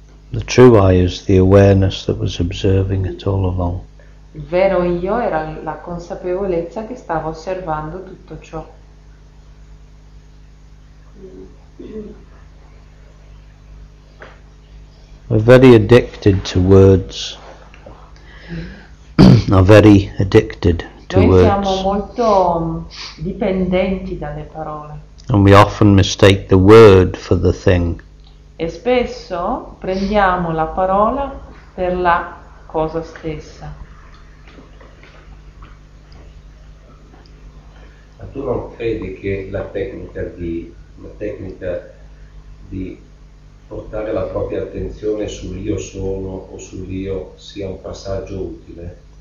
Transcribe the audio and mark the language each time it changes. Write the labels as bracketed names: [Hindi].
[English] The true I is the awareness that was observing it all along. [Italian] Il vero io era la consapevolezza che stava osservando tutto ciò. [English] We're very addicted to words. Are very addicted to words. [Italian] Noi siamo molto dipendenti dalle parole. [English] And we often mistake the word for the thing. [Italian] E spesso prendiamo la parola per la cosa stessa. Ma tu non credi che la tecnica di portare la propria attenzione sull'io sono o sull'io sia un passaggio utile?